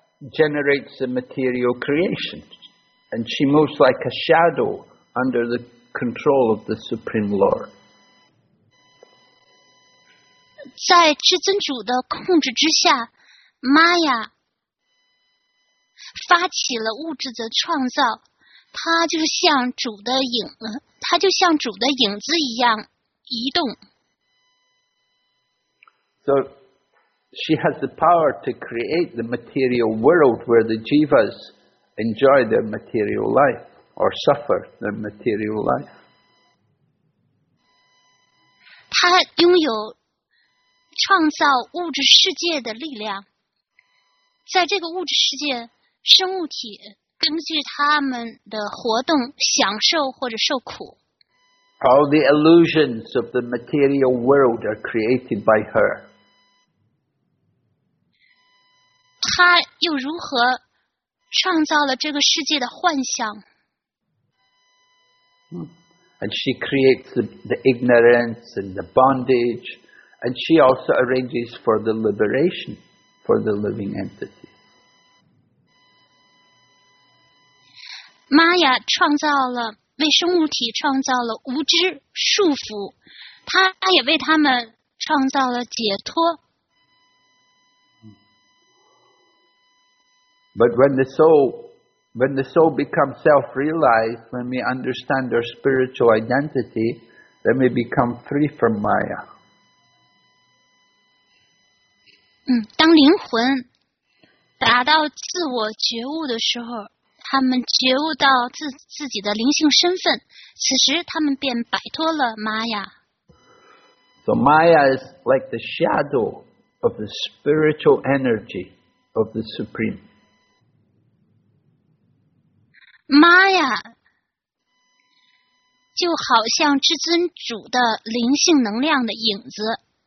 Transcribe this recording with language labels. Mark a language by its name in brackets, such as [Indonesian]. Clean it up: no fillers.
[English] generates a material creation, and she moves like a shadow under the control of the Supreme Lord. [Chinese] 在至尊主的控制之下，玛雅发起了物质的创造，它就是像主的影，它就像主的影子一样移动。 [English] So she has the power to create the material world where the jivas enjoy their material life or suffer their material life. [Chinese] 她拥有创造物质世界的力量，在这个物质世界，生物体根据他们的活动享受或者受苦。 [English] All the illusions of the material world are created by her. [Chinese] 他又如何创造了这个世界的幻想？ [English] And she creates the ignorance and the bondage. And she also arranges for the liberation for the living entity. [Chinese] Maya 创造了为生物体创造了无知束缚，她也为他们创造了解脱。 [English] But when the soul becomes self-realized, when we understand our spiritual identity, then we become free from Maya. [Chinese] 当灵魂达到自我觉悟的时候，他们觉悟到自己的灵性身份，此时他们便摆脱了玛雅。 [English] So Maya is like the shadow of the spiritual energy of the Supreme. [Chinese] Maya 就好像至尊主的灵性能量的影子。